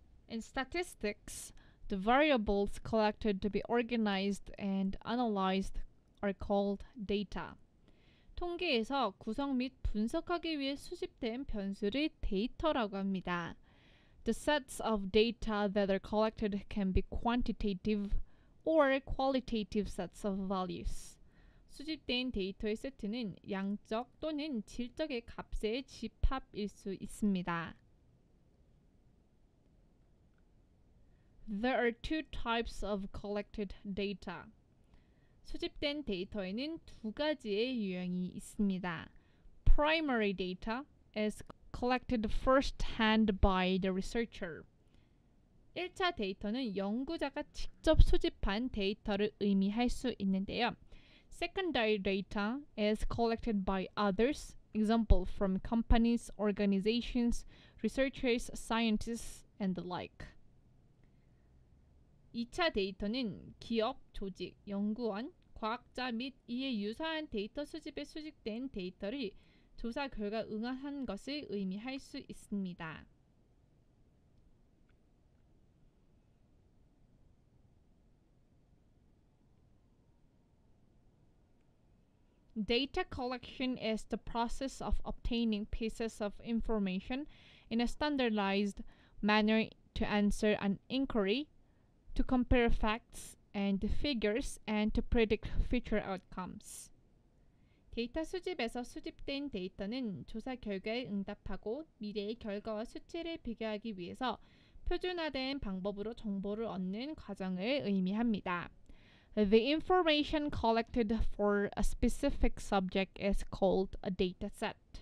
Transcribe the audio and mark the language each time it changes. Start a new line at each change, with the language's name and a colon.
English: In statistics, the variables collected to be organized and analyzed are called data.
Korean: 통계에서 구성 및 분석하기 위해 수집된 변수를 데이터라고 합니다.
English: The sets of data that are collected can be quantitative or qualitative sets of values.
Korean: 수집된 데이터의 세트는 양적 또는 질적의 값의 집합일 수 있습니다.
English: There are two types of collected data.
Korean: 수집된 데이터에는 두 가지의 유형이 있습니다.
English: Primary data is collected first-hand by the researcher.
Korean: 1차 데이터는 연구자가 직접 수집한 데이터를 의미할 수 있는데요.
English: Secondary data is collected by others, example from companies, organizations, researchers, scientists, and the like.
Korean: 2차 데이터는 기업, 조직, 연구원, 과학자 및 이에 유사한 데이터 수집에 수집된 데이터를 조사 결과 응한 것을 의미할 수 있습니다.
English: Data collection is the process of obtaining pieces of information in a standardized manner to answer an inquiry, to compare facts and figures, and to predict future outcomes.
Korean: 데이터 수집에서 수집된 데이터는 조사 결과에 응답하고 미래의 결과와 수치를 비교하기 위해서 표준화된 방법으로 정보를 얻는 과정을 의미합니다.
English: The information collected for a specific subject is called a data set.